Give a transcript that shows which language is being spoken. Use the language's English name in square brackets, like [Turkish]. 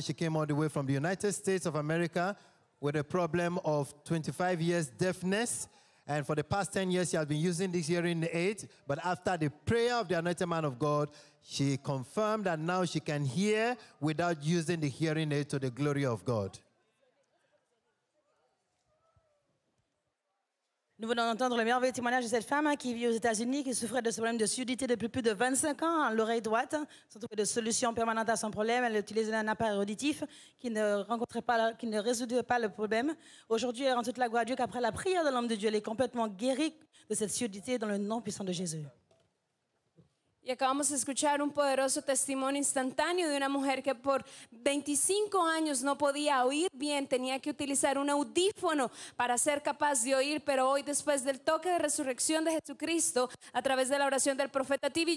[English] She came all the way from the United States of America with a problem of 25 years deafness. And for the past 10 years, she has been using this hearing aid. But after the prayer of the anointed man of God, she confirmed that now she can hear without using the hearing aid to the glory of God. [French] Nous venons d'entendre le merveilleux témoignage de cette femme qui vit aux États-Unis, qui souffrait de ce problème de surdité depuis plus de 25 ans, à l'oreille droite, sans trouver de solution permanente à son problème. Elle utilisait un appareil auditif qui ne résoudait pas le problème. Aujourd'hui, elle rend toute la gloire à Dieu qu'après la prière de l'homme de Dieu, elle est complètement guérie de cette surdité dans le nom puissant de Jésus. [Spanish] Y acabamos de escuchar un poderoso testimonio instantáneo de una mujer que por 25 años no podía oír bien, tenía que utilizar un audífono para ser capaz de oír, pero hoy después del toque de resurrección de Jesucristo, a través de la oración del profeta T.B.